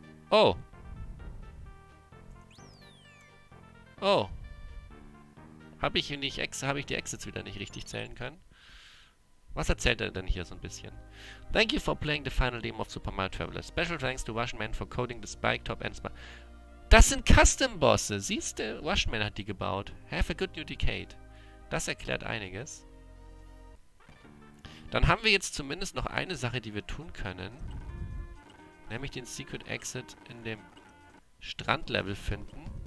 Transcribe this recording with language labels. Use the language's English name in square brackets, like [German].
[German] Oh. Oh. Habe ich die Exits wieder nicht richtig zählen können? Was erzählt er denn hier so ein bisschen? [English] Thank you for playing the final demo of Super Mario Traveler. Special thanks to Washman for coding the Spike Top and Spike... [German] Das sind Custom-Bosse. Siehst du, Washman hat die gebaut. [English] Have a good new decade. [German] Das erklärt einiges. Dann haben wir jetzt zumindest noch eine Sache, die wir tun können. Nämlich den Secret Exit in dem Strandlevel finden.